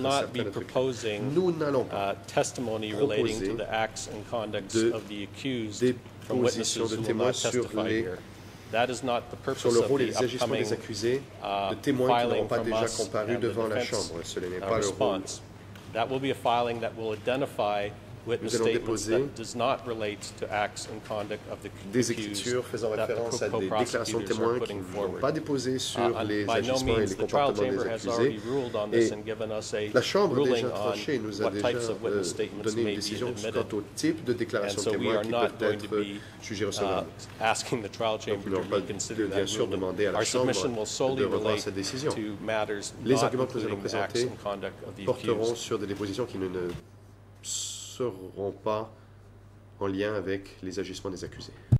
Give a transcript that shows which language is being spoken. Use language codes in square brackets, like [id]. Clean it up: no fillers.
[en] not be proposing testimony relating to the acts and conduct of the accused from witnesses who will not testify here. That is not the purpose [fr] sur le rôle [en] of the [fr] et les agissements des accusés, de témoins qui n'auront pas déjà comparu devant la Chambre. Ce n'est pas le rôle. [en] That will be a filing that will identify witness statements that does not relate to acts and conduct of the accused that the co-prosecutors are putting forward. By no means, the trial chamber has already ruled on this and given us a ruling on what types of witness statements may be admitted. And so we are not going to be asking the trial chamber to reconsider that ruling. Our submission will solely relate to matters not including acts and conduct of the accused. [fr] Seront pas en lien avec les agissements des accusés.